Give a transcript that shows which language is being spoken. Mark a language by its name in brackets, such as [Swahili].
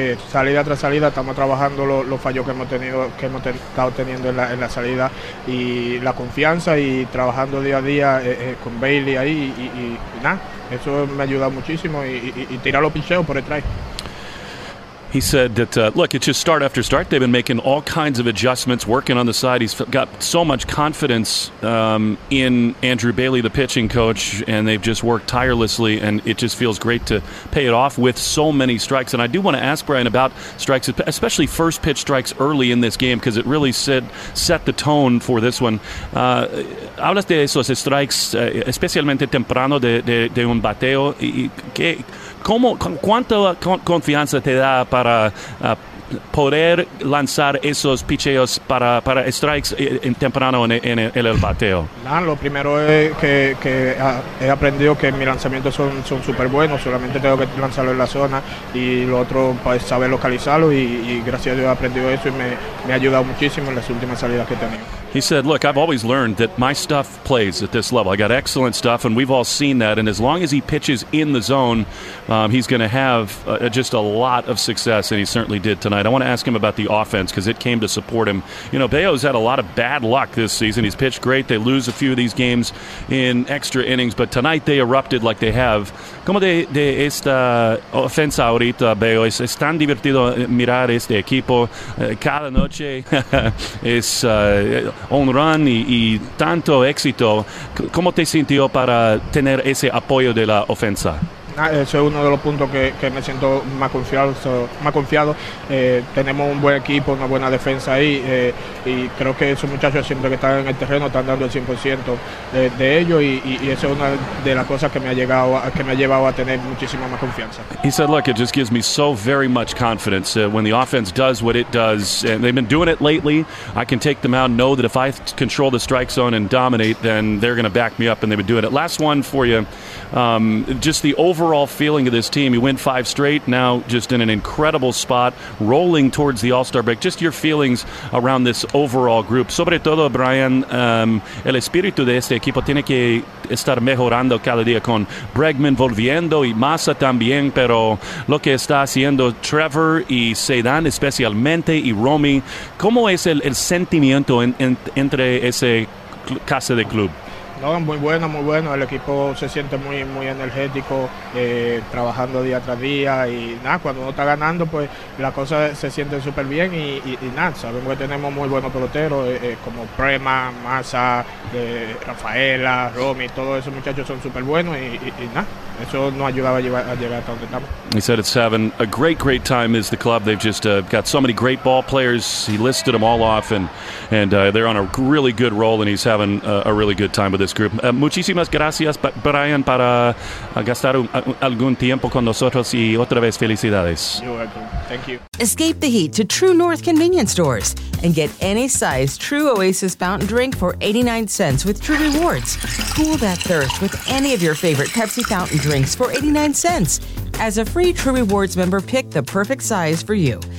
[Spanish] Salida tras salida estamos trabajando los fallos que hemos tenido, que hemos estado teniendo en la salida, y la confianza, y trabajando día a día con Bailey ahí, y nada, eso me ha ayudado muchísimo, y tirar los picheos por detrás. [English] He said that, look, it's just start after start. They've been making all kinds of adjustments, working on the side. He's got so much confidence in Andrew Bailey, the pitching coach, and they've just worked tirelessly, and it just feels great to pay it off with so many strikes. And I do want to ask Brian about strikes, especially first pitch strikes early in this game, because it really set the tone for this one. [Spanish] Hablas de esos strikes, especialmente temprano de un bateo. ¿Cuánta confianza te da para poder lanzar esos picheos para strikes en temprano en el bateo? Lo primero es que he aprendido que mis lanzamientos son súper buenos, solamente tengo que lanzarlo en la zona, y lo otro es pues, saber localizarlo, y gracias a Dios he aprendido eso, y me ha ayudado muchísimo en las últimas salidas que he tenido. [English] He said, look, I've always learned that my stuff plays at this level. I got excellent stuff, and we've all seen that. And as long as he pitches in the zone, he's going to have just a lot of success, and he certainly did tonight. I want to ask him about the offense because it came to support him. You know, Bayo's had a lot of bad luck this season. He's pitched great. They lose a few of these games in extra innings, but tonight they erupted like they have. [Spanish] ¿Cómo de esta ofensa ahorita, Bayo? Es tan divertido mirar este equipo cada noche. Es... un run y tanto éxito. ¿Cómo te sintió para tener ese apoyo de la ofensa? Eso es uno de los puntos que me siento más confiado. Tenemos un buen equipo, una buena defensa ahí, y creo que esos muchachos siempre que están en el terreno están dando el 100% de ellos, y eso es una de las cosas que me ha llevado a tener muchísima más confianza. [English] He said, look, it just gives me so very much confidence when the offense does what it does, and they've been doing it lately. I can take them out and know that if I control the strike zone and dominate, then they're going to back me up, and they've been doing it. Last one for you, just the overall feeling of this team. You win 5 straight, now just in an incredible spot, rolling towards the All-Star break. Just your feelings around this overall group. [Spanish] Sobre todo, Brian, el espíritu de este equipo tiene que estar mejorando cada día con Bregman volviendo y Massa también, pero lo que está haciendo Trevor y Zeidan especialmente y Romy, ¿cómo es el sentimiento entre ese casa de club? No, muy bueno, muy bueno. El equipo se siente muy, muy energético, trabajando día tras día. Y nada, cuando uno está ganando, pues las cosas se sienten súper bien. Y nada, sabemos que tenemos muy buenos peloteros, como Prema, Massa, Rafaela, Romy, todos esos muchachos son súper buenos. Y nada, eso nos ayudaba a llegar hasta donde estamos. [English] He said it's having a great, great time is the club. They've just got so many great ball players. He listed them all off, and they're on a really good roll, and he's having a really good time with this group. [Spanish] Muchísimas gracias, Brian, para gastar algún tiempo con nosotros, y otra vez felicidades. [English] You're welcome. Thank you. Escape the heat to True North convenience stores and get any size True Oasis fountain drink for 89 cents with True Rewards. Cool that thirst with any of your favorite Pepsi fountain drinks for 89 cents. As a free True Rewards member, pick the perfect size for you.